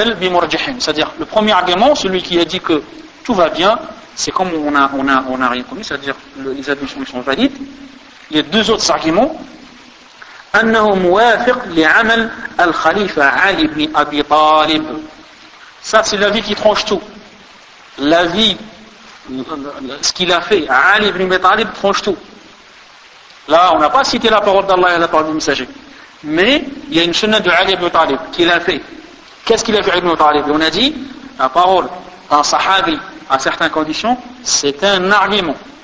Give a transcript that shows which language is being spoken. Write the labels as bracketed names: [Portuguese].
[French] بمرجح c'est-à-dire le premier argument celui qui a dit que tout va bien c'est comme on a rien commis c'est-à-dire les admissions sont valides il y a deux autres arguments [Arabic] أنه موافق لعمل الخليفة علي بن أبي طالب [French] ça c'est l'avis qui tranche tout l'avis ce qu'il a fait Ali ibn Abi Talib tranche tout là on n'a pas cité la parole d'Allah et la parole du messager mais il y a une sunna de Ali ibn Abi Talib qu'il a fait qu'est-ce qu'il a fait Ali ibn Abi Talib on a dit la parole d'un sahabi à certaines conditions c'est un argument